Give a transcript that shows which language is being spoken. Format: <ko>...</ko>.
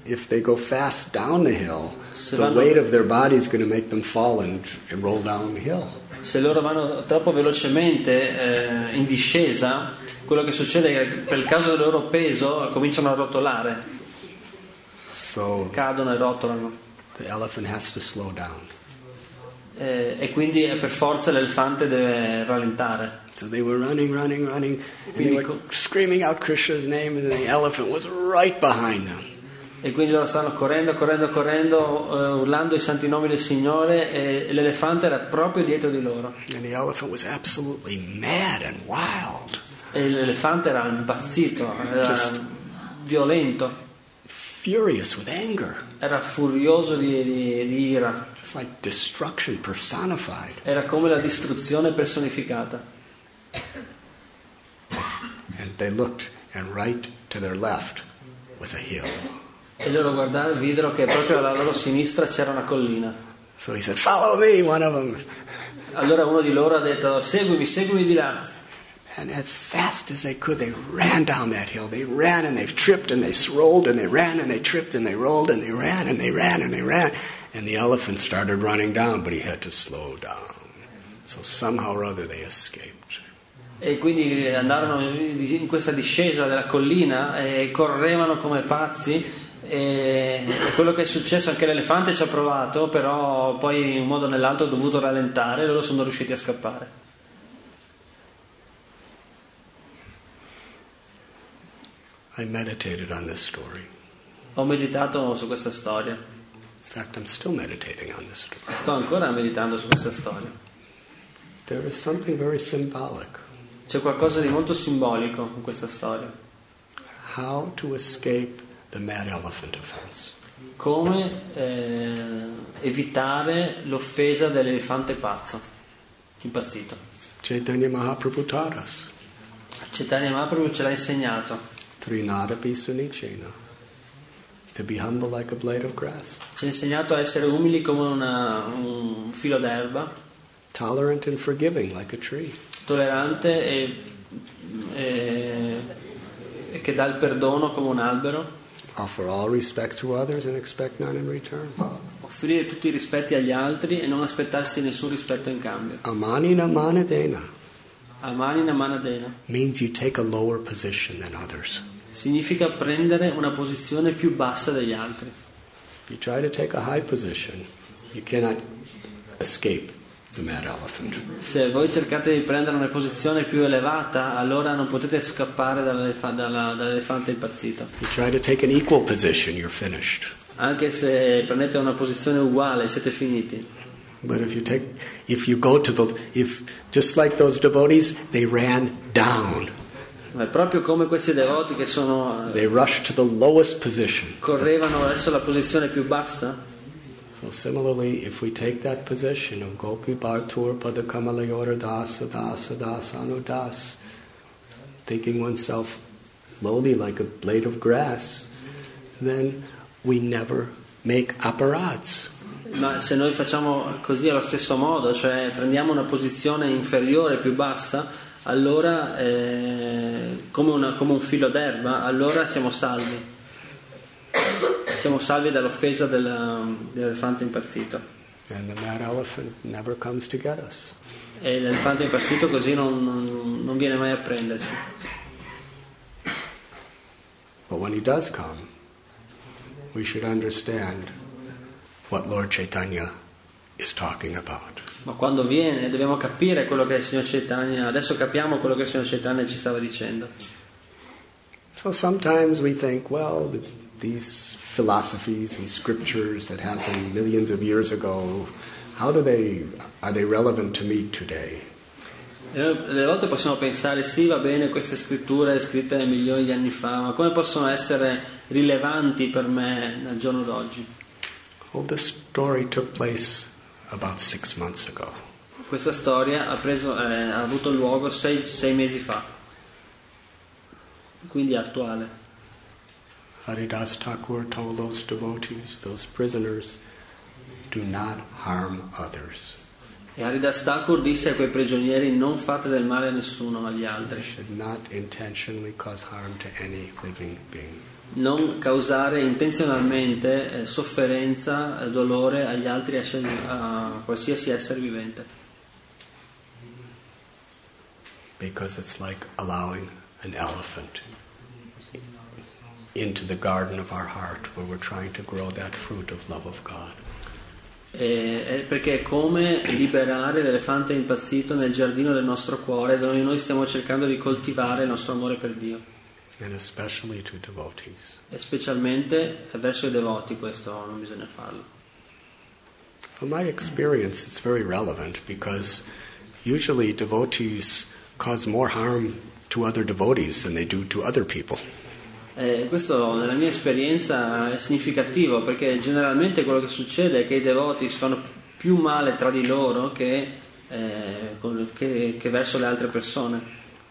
<en>if they go fast down the hill, the weight of their body is going to make them fall and roll down the hill.</en> <it>Se loro vanno troppo velocemente in discesa, quello che succede è che per causa del loro peso cominciano a rotolare.</it> <en>So</en> <it>cadono e rotolano.</it> <en>The elephant has to slow down.</en> <it>E quindi per forza l'elefante deve rallentare.</it> <en>So they were running, and they were screaming out Krishna's name, and the elephant was right behind them.</en> <it>E quindi loro stanno correndo, urlando i santi nomi del Signore, e l'elefante era proprio dietro di loro.</it> <en>And the elephant was absolutely mad and wild.</en> <it>E l'elefante era impazzito, era violento.</it> <en>Furious with anger.</en> <it>Era furioso di ira.</it> <en>It's like destruction personified.</en> <it>Era come la distruzione personificata.</it> <en>And they looked, and right to their left was a hill.</en> <it>E loro guardarono, videro che proprio alla loro sinistra c'era una collina.</it> <en>So he said, "Follow me," one of them.</en> <it>Allora uno di loro ha detto, "Seguimi di là."</it> <en>And as fast as they could, they ran down that hill. They ran and they tripped and they rolled and they ran and they tripped and they rolled and they ran and they ran and they ran. And the elephant started running down, but he had to slow down. So somehow or other they escaped.</en> <it>E quindi andarono in questa discesa della collina e correvano come pazzi. E quello che è successo, anche l'elefante ci ha provato, però poi in un modo o nell'altro ha dovuto rallentare e loro sono riusciti a scappare.</it> <en>I meditated on this story.</en> <it>Ho meditato su questa storia.</it> <en>In fact, I'm still meditating on this story.</en> <it>Sto ancora meditando su questa storia.</it> <en>There is something very symbolic.</en> <it>C'è qualcosa di molto simbolico in questa storia.</it> <en>How to escape the mad elephant offense.</en> <it>Come evitare l'offesa dell'elefante pazzo, impazzito.</it> <en>Chaitanya Mahaprabhu taught us.</en> <it>Chaitanya Mahaprabhu ce l'ha insegnato.</it> <sa>Trinadapi sunichena.</sa> <en>To be humble like a blade of grass.</en> <it>Ci ha insegnato a essere umili come un filo d'erba.</it> <en>Tolerant and forgiving like a tree.</en> <it>Tollerante e che dà il perdono come un albero.</it> <en>Offer all respect to others and expect none in return.</en> <it>Offrire tutti i rispetti agli altri e non aspettarsi nessun rispetto in cambio.</it> <sa>Amanina manadena. Amanina manadena.</sa> <en>Means you take a lower position than others.</en> <it>Significa prendere una posizione più bassa degli altri.</it> <en>If you try to take a high position, you cannot escape the mad elephant.</en> <it>Se voi cercate di prendere una posizione più elevata, allora non potete scappare dall'elefante impazzito.</it> <en>You try to take an equal position, you're finished.</en> <it>Anche se prendete una posizione uguale, siete finiti.</it> <en>But if just like those devotees, they ran down.</en> <it>Ma proprio come questi devoti che sono.</it> <en>They rushed to the lowest position.</en> <it>Correvano verso la posizione più bassa.</it> <en>So similarly, if we take that position of</en> <sa>Gopi Bhartur Padakamalayora Dasa Dasa Dasanu Das,</sa> <en>thinking oneself lowly like a blade of grass, then we never make aparads.</en> <it>Ma se noi facciamo così allo stesso modo, cioè prendiamo una posizione inferiore, più bassa, allora come un filo d'erba, allora siamo salvi. Siamo salvi dall'offesa dell'elefante impazzito.</it> <en>And the mad elephant never comes to get us.</en> <it>E l'elefante impazzito così non viene mai a prenderci.</it> <en>But when he does come, we should understand what Lord Chaitanya is talking about.</en> <it>Ma quando viene dobbiamo capire quello che il signor Chaitanya, adesso capiamo quello che il signor Chaitanya ci stava dicendo.</it> <en>So sometimes we think, well, these philosophies and scriptures that happened millions of years ago, how do they, are they relevant to me today?</en> <it>Le volte possiamo pensare, sì, va bene, queste scritture scritte milioni di anni fa, ma come possono essere rilevanti per me al giorno d'oggi?</it> <en>Well, this story took place about 6 months ago.</en> <it>Questa storia ha avuto luogo sei mesi fa, quindi è attuale.</it> <en>Haridas Thakur told those devotees, those prisoners, do not harm others.</en> <it>E Haridas Thakur disse a quei prigionieri, non fate del male a nessuno, agli altri.</it> <en>They should not intentionally cause harm to any living being.</en> <it>non causare intenzionalmente sofferenza, dolore agli altri, a qualsiasi essere vivente.</it> <en>Because it's like allowing an elephant into the garden of our heart where we're trying to grow that fruit of love of God.</en> <it>Perché è come liberare l'elefante impazzito nel giardino del nostro cuore dove noi stiamo cercando di coltivare il nostro amore per Dio.</it> <en>And especially to devotees.</en> <it>E specialmente verso i devoti questo non bisogna farlo.</it> <en>From my experience it's very relevant because usually devotees cause more harm to other devotees than they do to other people.</en> <it>Questo nella mia esperienza è significativo perché generalmente quello che succede è che i devoti si fanno più male tra di loro che verso le altre persone.</it>